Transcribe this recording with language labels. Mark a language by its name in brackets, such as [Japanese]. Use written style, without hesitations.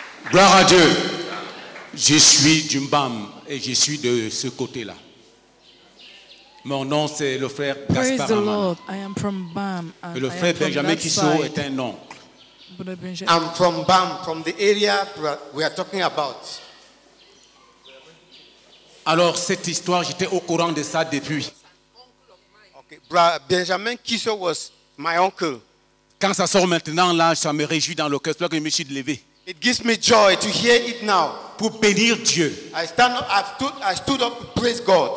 [French] Gloire à Dieu. Je suis du Mbam et je suis de ce côté-là. Mon nom, c'est le frère [English] Praise [French] Gaspard [English] the Lord. I am from Bam. [French] Et le frère Benjamin Kissot est un oncle. [English] I'm from Bam, from the area we are talking about. [French] Alors, cette histoire, j'étais au courant de ça depuis. [English] Okay. Benjamin Kissot was my uncle. [French] Quand ça sort maintenant, là, ça me réjouit dans le cœur. C'est là que je me suis levé. [English] It gives me joy to hear it now. [French] Pour bénir Dieu. [English] I stood up to praise God.